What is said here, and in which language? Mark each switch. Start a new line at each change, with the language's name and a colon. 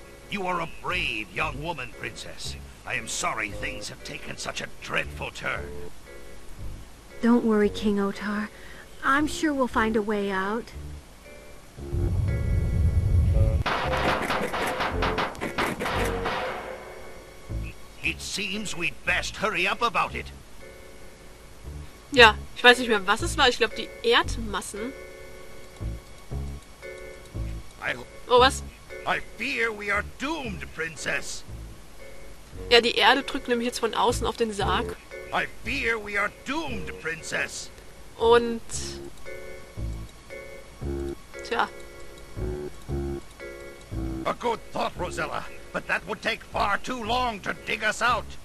English: You are a brave young woman, Princess. I am sorry things have taken such a dreadful turn. Don't worry, King Otar. I'm sure we'll find a way out. It seems we'd best hurry up about it.
German: Ja, ich weiß nicht mehr, was es war. Ich glaube, die Erdmassen. Oh, was?
English: I fear we are doomed, Princess.
German: Ja, die Erde drückt nämlich jetzt von außen auf den Sarg.
English: I fear we are doomed, Princess.
German: Und... Tja.
English: A good thought, Rosella. But that would take far too long to dig us out.